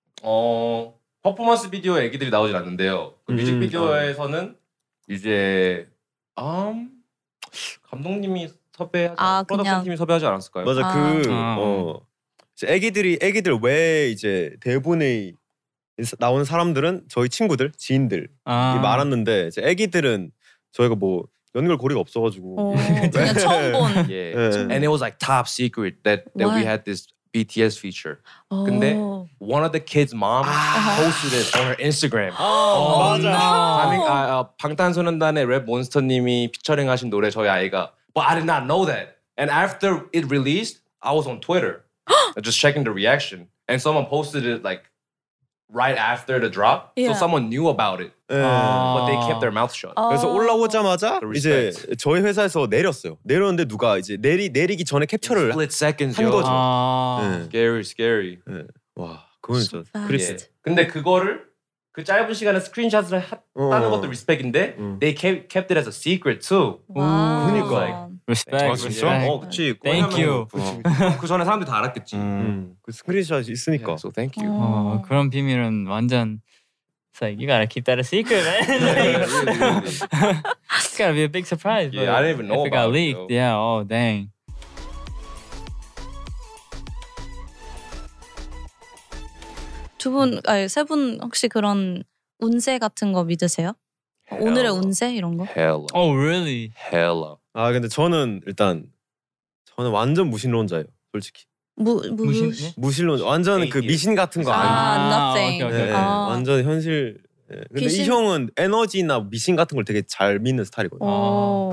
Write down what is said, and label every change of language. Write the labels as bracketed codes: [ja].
[ko] 어, 퍼포먼스 비디오에 애기들이 나오진 않는데요. 그 뮤직비디오에서는 이제 감독님이 섭외하지 프로덕션팀이 섭외하지 않았을까요? 맞아 그 애기들이 애기들 왜 이제 대본에 나오는 사람들은 저희 친구들 지인들이 아. 말았는데 이제 애기들은 저희가 뭐 연결 고리가 없어가지고 그냥 처음 본 [en] yeah. And it was like top secret that we had this BTS feature. [ko] 오. 근데 [en] one of the kids' mom posted it on her Instagram. [ko] 맞아. 방탄소년단의 랩 몬스터님이 피처링하신 노래 저희 아이가 [en] But I did not know that. And after it released, I was on Twitter. just checking the reaction. And someone posted it like right after the drop. Yeah. So someone knew about it. Yeah. But they kept their mouth shut. [ko] 그래서 올라오자마자 이제 저희 회사에서 내렸어요. 내렸는데 누가 이제 내리기 전에 캡처를 [en] split seconds, [ko] 한 거죠. 아. 네. [en] Scary. 네. [ko] 와, 그건 진짜 크리스. 예. 근데 그거를 그 짧은 시간에 스크린샷을 했다는 것도 리스펙인데 [en] they kept it as a secret too. [ko] 그러니까. [en] Respect. [ko] 아, 진짜? 그치. [en] Thank you. [ko] 그 전에 사람들이 다 알았겠지. 그 스크린샷이 있으니까. [en] Yeah, so thank you. [ko] 그런 비밀은 완전 [en] It's like, you gotta keep that a secret, man. It's gotta be a big surprise. Yeah, I didn't even know about it. If it got leaked, though. Yeah, oh, dang. Three of you, do you believe that kind of luck? Today's luck, that kind of thing? Hella. Oh, really? Hella. [ko] 아 근데 저는 일단 저는 완전 무신론자예요, 솔직히. 무신론자 완전 그 미신 같은 거 아니에요. [en] 아, nothing. [ko] 네, [en] okay, [ko] okay. 완전 현실. 네. 근데 귀신? 이 형은 에너지나 미신 같은 걸 되게 잘 믿는 스타일이거든요.